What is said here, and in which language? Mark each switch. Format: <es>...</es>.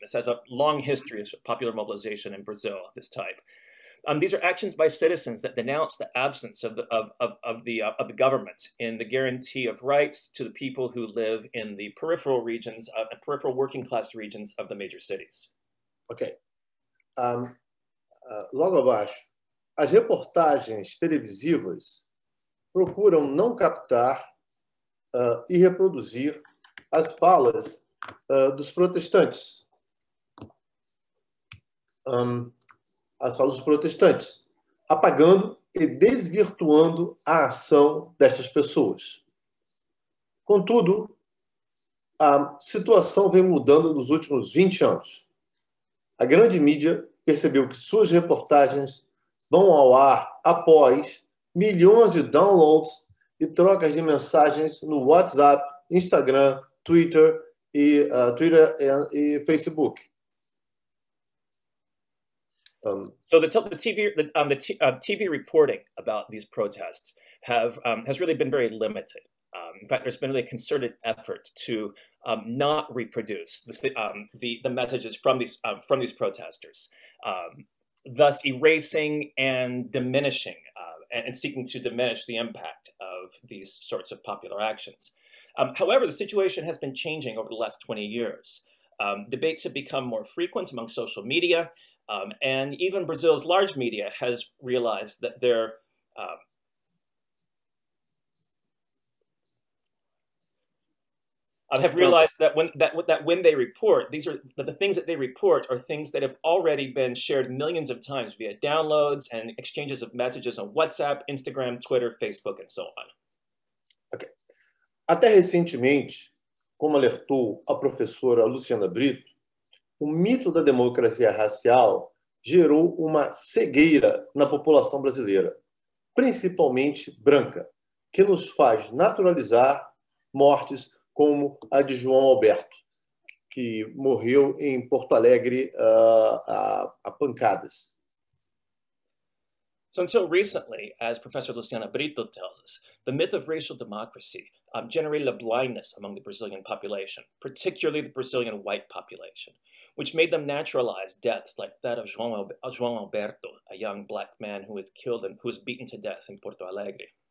<en>This has a long history of popular mobilization in Brazil of this type. These are actions by citizens that denounce the absence of the government in the guarantee of rights to the people who live in the peripheral regions, peripheral working class regions of the major cities. Okay.</en> <pt>Logo abaixo, as reportagens televisivas procuram não captar e reproduzir as falas dos protestantes. As falas dos protestantes, apagando e desvirtuando a ação destas pessoas. Contudo, a situação vem mudando nos últimos 20 anos. A grande mídia percebeu que suas reportagens vão ao ar após milhões de downloads e trocas de mensagens no WhatsApp, Instagram, Twitter e Facebook.</pt> <en>So the TV reporting about these protests has really been very limited. In fact, there's been a concerted effort to not reproduce the messages from these protesters. thus erasing and diminishing and seeking to diminish the impact of these sorts of popular actions. However, the situation has been changing over the last 20 years. Debates have become more frequent among social media, and even Brazil's large media has realized that their when they report, the things that they report are things that have already been shared millions of times via downloads and exchanges of messages on WhatsApp, Instagram, Twitter, Facebook, and so on. Okay.</en> <pt>Até recentemente, como alertou a professora Luciana Brito, o mito da democracia racial gerou uma cegueira na população brasileira, principalmente branca, que nos faz naturalizar mortes como a de João Alberto, que morreu em Porto Alegre a pancadas.</pt> <en>So until recently, as Professor Luciana Brito tells us, the myth of racial democracy generated a blindness among the Brazilian population, particularly the Brazilian white population, which made them naturalize deaths like that of João Alberto, a young black man who was killed and who was beaten to death in Porto Alegre.</en>